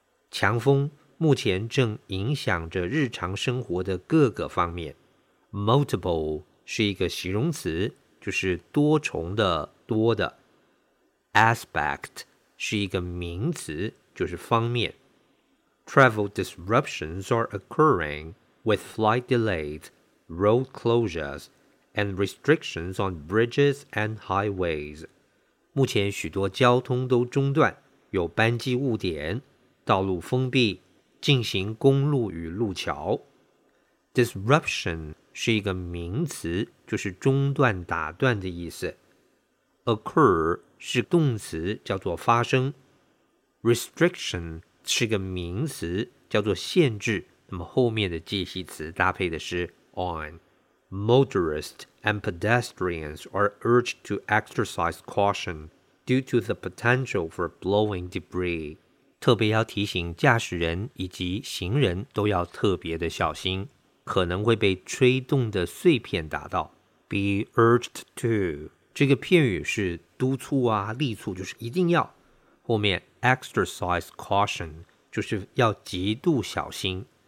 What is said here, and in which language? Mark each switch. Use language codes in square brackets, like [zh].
[zh] 强风目前正影响着日常生活的各个方面。 Multiple,是一个形容词，就是多重的、多的。 Aspect 是一个名词，就是方面。 [en] Travel disruptions are occurring with flight delays, road closures, and restrictions on bridges and highways. [zh] 目前许多交通都中断，有班机误点、道路封闭、进行公路与路桥。Disruption 是一个名词，就是中断、打断的意思。 Occur 是动词，叫做发生。Restriction 是个名词，叫做限制。那么后面的介系词搭配的是 on。 [en] Motorists and pedestrians are urged to exercise caution due to the potential for blowing debris. [zh] 特别要提醒驾驶人以及行人都要特别的小心，可能会被吹动的碎片打到。 [en] Be urged to [zh] 这个片语是督促啊，力促，就是一定要。后面 [en] exercise caution [zh] 就是要极度小心。